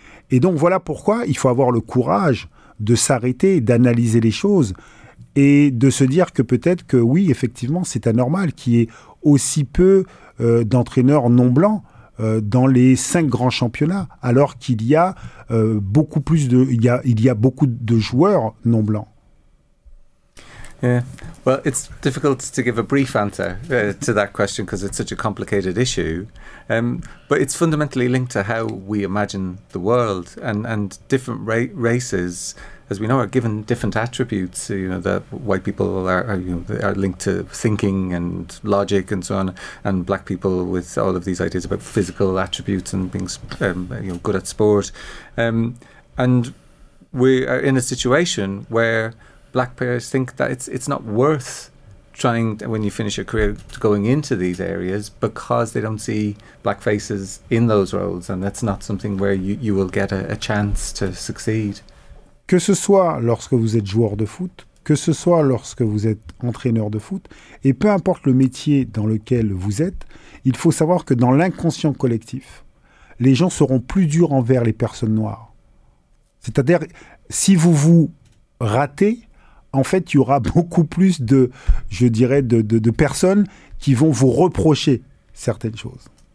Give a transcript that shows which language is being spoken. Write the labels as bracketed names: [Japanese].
[French] Et donc, voilà pourquoi il faut avoir le courage de s'arrêter, d'analyser les choses et de se dire que peut-être que oui, effectivement, c'est anormal qu'il y ait aussi peu d'entraîneurs non blancs dans les cinq grands championnats, alors qu'il y a beaucoup plus de il y a beaucoup de joueurs non blancs. [English] Yeah, well, it's difficult to give a brief answer to that question because it's such a complicated issue. But it's fundamentally linked to how we imagine the world, and different races, as we know, are given different attributes. You know, that white people are linked to thinking and logic and so on, and black people with all of these ideas about physical attributes and being good at sport. And we are in a situation where black players think that it's not worth trying to, when you finish your career, going into these areas, because they don't see black faces in those roles, and that's not something where you will get a chance to succeed. [French] Que ce soit lorsque vous êtes joueur de foot, que ce soit lorsque vous êtes entraîneur de foot, et peu importe le métier dans lequel vous êtes, il faut savoir que dans l'inconscient collectif, les gens seront plus durs envers les personnes noires. C'est-à-dire, si vous vous ratez, en fait, il y aura beaucoup plus de personnes qui vont vous reprocher certaines choses.